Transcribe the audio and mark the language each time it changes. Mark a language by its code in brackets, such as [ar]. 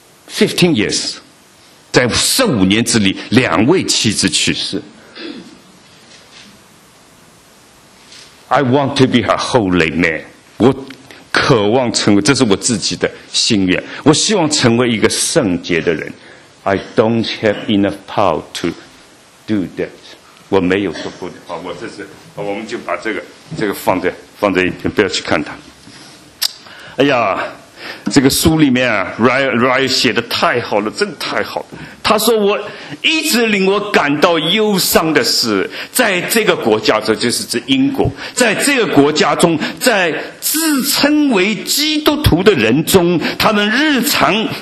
[en] 15 years, [zh] 在15年之里，两位妻子去世。 [en] I want to be a holy man. [zh] 我渴望成为，这是我自己的心愿，我希望成为一个圣洁的人。 [en] I don't have enough power to do that. [zh] 我没有足够的。好，我这是，我们就把这个放在一边，不要去看它。哎呀，这个书里面啊 ，Ryle 写的太好了，真的太好了。他说，我一直令我感到忧伤的是，在这个国家中，就是指英国，在这个国家中，在自称为基督徒的人中，他们日常。